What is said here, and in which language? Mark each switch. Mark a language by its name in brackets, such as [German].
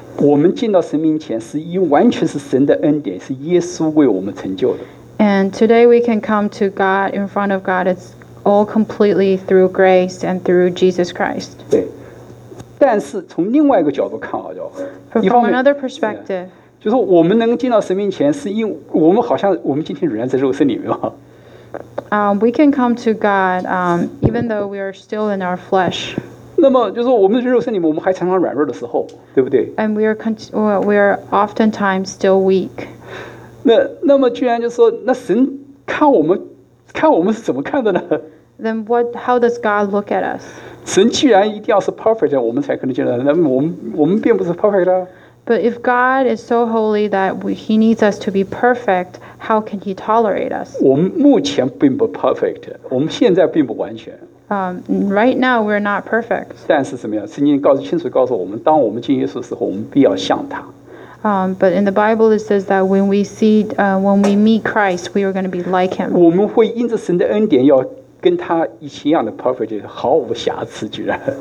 [Chinese] 我们进到神面前是因完全是神的恩典，是耶稣为我们成就的。 [English] And today we can come to God in front of God. It's all completely through grace and through Jesus Christ. [Chinese] 对，但是从另外一个角度看啊， [English] from another perspective. [Chinese] 就是我们能进到神面前，是因为我们好像我们今天仍然在肉身里面吗？ [English] We can come to God, even though we are still in our flesh. [Chinese] 那么就是我们在肉身里面，我们还常常软弱的时候，对不对 [English] ？And we are oftentimes still weak. [Chinese] 那么居然就是说，那神看我们是怎么看的呢 [English] ？Then what? How does God look at us? [Chinese] 神既然一定要是 perfect， 我们才可能进来。那我们并不是 perfect 啊。 [English] But if God is so holy that he needs us to be perfect, how can he tolerate us? [Chinese] 我们目前并不 perfect， 我们现在并不完全。 [English] Right now we're not perfect. [Chinese] 但是怎么样？圣经清楚告诉我们，当我们进耶稣的时候，我们必要像他。 [English] But in the Bible it says that when we see, when we meet Christ, we are going to be like him. [Chinese] 我们会因着神的恩典要跟他一起一样的 perfect， 毫无瑕疵，居然。